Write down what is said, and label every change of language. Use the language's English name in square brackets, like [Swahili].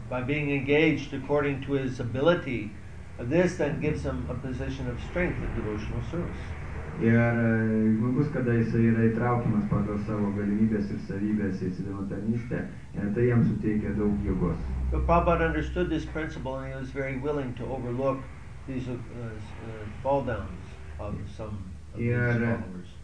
[English] By being engaged according to his ability, this then gives him a position of strength in devotional service. [Lithuanian] Ir žmogus, kada jis yra įtraukimas pagal savo galimybės ir savybės į sadhana tarnystę, tai jam suteikia daug jėgos. [English] But Prabhupada understood this principle and he was very willing to overlook these fall downs of some followers.